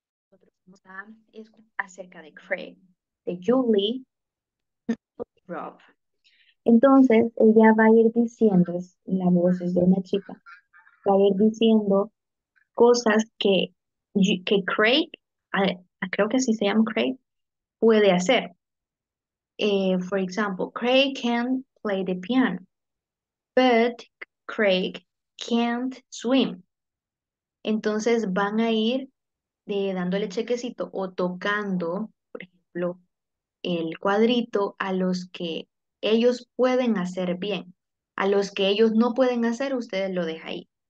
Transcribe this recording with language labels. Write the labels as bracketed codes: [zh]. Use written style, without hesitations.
[es] Nosotros vamos a hablar acerca de Craig, de Julie, Rob. Entonces, ella va a ir diciendo, la voz es de una chica, va a ir diciendo cosas que Craig, creo que así se llama Craig, puede hacer. [en] For example, Craig can play the piano, but Craig can't swim. [es] Entonces, van a ir dándole chequecito o tocando, por ejemplo, el cuadrito a los que ellos pueden hacer bien. A los que ellos no pueden hacer, ustedes lo dejan ahí.